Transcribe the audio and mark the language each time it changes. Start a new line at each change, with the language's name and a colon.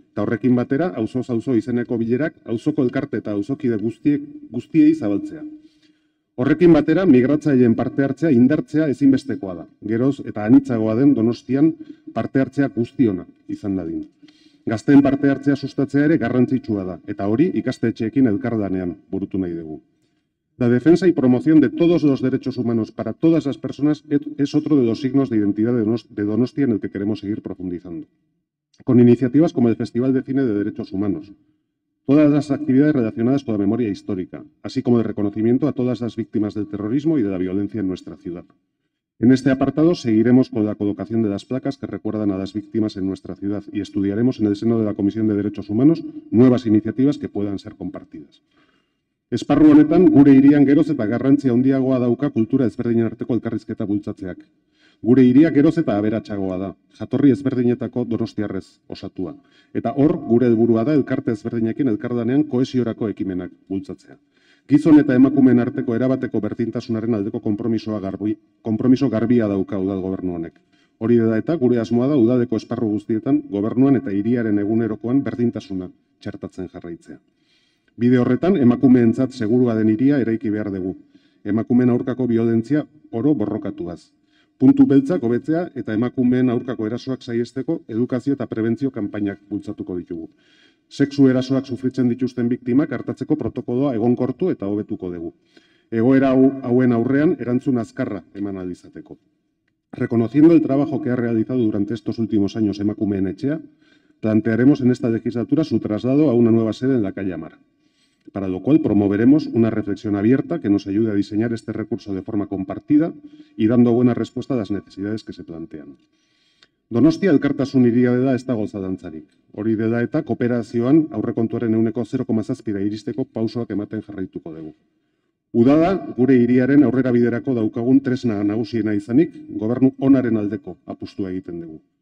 Basque: Eta horrekin batera, auzoz auzo izeneko bilerak auzoko elkarte eta auzokide guztiei zabaltzea. Horrekin batera, migratzaileen parte hartzea indartzea ezinbestekoa da. Geroz eta anitzagoa den Donostian parte hartzea guztiona izan dadin. Gazteen parte hartzea sustatzea ere garrantzitsua da, eta hori ikastetxeekin elkarlanean burutu nahi dugu.
Spanish: La defensa y promoción de todos los derechos humanos para todas las personas es otro de los signos de identidad de Donostia en el que queremos seguir profundizando. Con iniciativas como el Festival de Cine de Derechos Humanos, todas las actividades relacionadas con la memoria histórica, así como el reconocimiento a todas las víctimas del terrorismo y de la violencia en nuestra ciudad. En este apartado seguiremos con la colocación de las placas que recuerdan a las víctimas en nuestra ciudad y estudiaremos en el seno de la Comisión de Derechos Humanos nuevas iniciativas que puedan ser compartidas.
Basque: Esparru honetan, gure hirian geroz eta garrantzia handiagoa dauka kultura ezberdinen arteko elkarrizketa bultzatzeak. Gure hiria geroz eta aberatsagoa da, jatorri ezberdinetako donostiarrez osatua. Eta hor, gure helburua da elkarte ezberdinekin elkardanean kohesiorako ekimenak bultzatzea. Gizon eta emakumeen arteko erabateko berdintasunaren aldeko konpromiso garbia dauka udal gobernu honek. Hori dela eta gure asmoa da udaleko esparru guztietan gobernuan eta hiriaren egunerokoan berdintasuna txertatzen jarraitzea. Bide horretan emakumeentzat segurua den hiria eraiki behar dugu. Emakumeen aurkako biolentzia oro borrokatuaz. Puntu beltzak hobetzea eta emakumeen aurkako erasoak saihesteko edukazio eta prebentzio kanpainak bultzatuko ditugu. Sexu erasoak sufritzen dituzten biktimak hartatzeko protokoloa egonkortu eta hobetuko dugu. Egoera hauen aurrean erantzun azkarra eman ahal izateko.
Spanish: Reconociendo el trabajo que ha realizado durante estos últimos años Emakumeen Etxea, plantearemos en esta legislatura su traslado a una nueva sede en la calle Amara, para lo cual promoveremos una reflexión abierta que nos ayude a diseñar este recurso de forma compartida y dando buena respuesta a las necesidades que se plantean.
Basque: Donostia elkartasun hiria dela ez dago zalantzarik. Hori dela eta kooperazioan aurrekontuaren 0,7%-ra iristeko pausoak ematen jarraituko dugu. Udala gure hiriaren aurrera biderako daukagun tresna nagusiena izanik, gobernu onaren aldeko apustua egiten dugu.